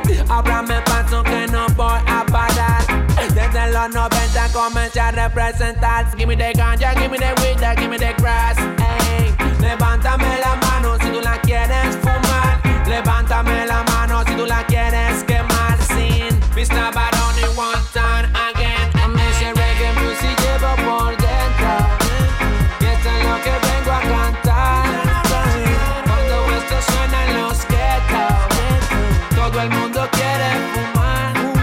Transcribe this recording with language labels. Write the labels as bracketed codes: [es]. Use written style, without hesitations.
[es] Ahora me paso que no voy a parar. Desde los 90 comencé a representar. [en] Give me the ganja, give me the weed, give me the grass. [es] Levántame la mano si tú la quieres fumar. Levántame la mano si tú la quieres quemar. Sin Mr. Barone [en] one time again. [es] Me dice reggae music llevo por dentro. Y esto es lo que vengo a cantar. Cuando esto suena en los ghetto, todo el mundo quiere fumar.